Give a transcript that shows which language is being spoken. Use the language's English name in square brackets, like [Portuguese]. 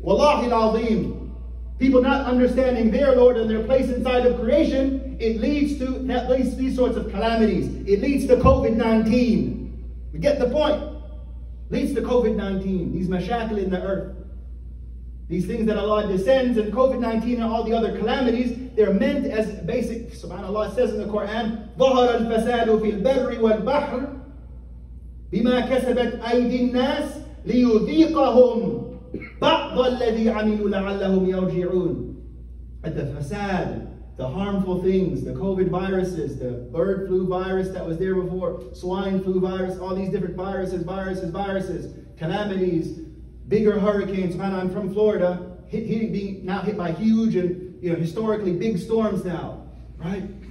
[English] Wallahi al-azim. People not understanding their Lord and their place inside of creation, it leads to at least these sorts of calamities. It leads to COVID-19. We get the point. Leads to COVID-19. These mashakil in the earth. These things that Allah descends and COVID-19 and all the other calamities, they're meant as basic. SubhanAllah, it says in the Quran, [Arabic] ظَهَرَ الْفَسَادُ فِي الْبَرِّ وَالْبَحْرِ بِمَا كَسَبَتْ أَيْدِ النَّاسِ لِيُذِيقَهُمْ بَعْضَ الَّذِي عَمِلُوا لَعَلَّهُمْ يَرْجِعُونَ. [English] The fasad, the harmful things, the COVID viruses, the bird flu virus that was there before, swine flu virus, all these different viruses, calamities, bigger hurricanes. Man, I'm from Florida, being hit by huge and, you know, historically big storms now, right?